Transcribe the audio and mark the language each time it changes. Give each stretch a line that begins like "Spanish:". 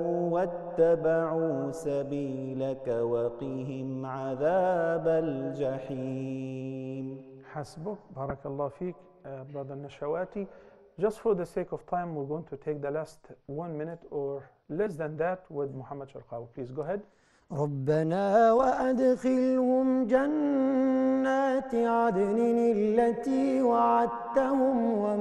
Arabic: واتبعوا سبيلك وقهم عذاب الجحيم. حسبك بارك الله فيك brother Nashawati.
English: Just for the sake of time, we're going to take the last 1 minute or less than that with Muhammad Sharqawi. Please go ahead.
Arabic: ربنا وأدخلهم جنات عدن التي وعدتهم